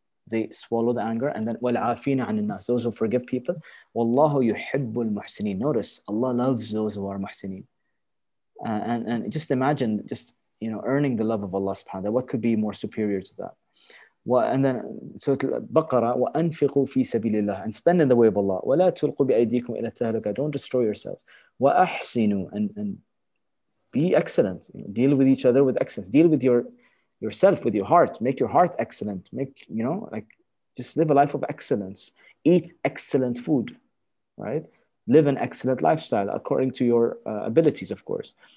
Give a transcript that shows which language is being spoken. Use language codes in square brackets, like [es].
[en] They swallow the anger, and then [ar] وَالْعَافِينَ عَنِ النَّاسِ, [en] those who forgive people. [ar] وَاللَّهُ يُحِبُّ الْمُحْسِنِينَ, [en] notice, Allah loves those who are muhsineen. And just imagine, just, you know, earning the love of Allah subhanahu wa ta'ala. What could be more superior to that? And then Surah Al-Baqarah, [ar] وَأَنْفِقُوا فِي سَبِيلِ اللَّهِ, [en] and spend in the way of Allah. [ar] وَلَا تُلْقُوا بِأَيْدِيكُمْ إِلَى التَّهْلُكَةِ, [en] don't destroy yourselves. [ar] وَأَحْسِنُوا, [en] and be excellent. You know, deal with each other with excellence. Deal with yourself, with your heart. Make your heart excellent. Make, you know, like, just live a life of excellence. Eat excellent food, right? Live an excellent lifestyle according to your abilities, of course.